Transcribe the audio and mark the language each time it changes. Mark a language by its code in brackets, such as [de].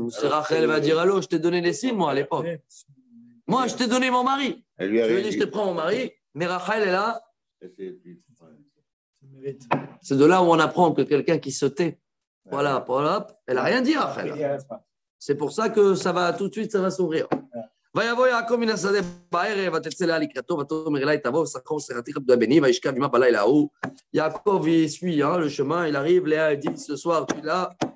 [fr] C'est Rachel, elle va dire, allô, je t'ai donné les signes, moi, à l'époque. Moi, je t'ai donné mon mari. Elle lui a dit, je te prends mon mari, mais Rachel est là. C'est de là où on apprend que quelqu'un qui se tait. Voilà, voilà, elle n'a rien dit, Rachel. C'est pour ça que ça va tout de suite, ça va s'ouvrir. [he] ויבוא יעקב מן השדה בערב, ותצא לאה לקראתו, ותאמר אליי, תבוא, שכרו שכרתיך בדוד בני, וישכב עמה בלילה ההוא. יעקב יסוי, [fr] le chemin, il arrive, Léa dit ce soir, tu es là.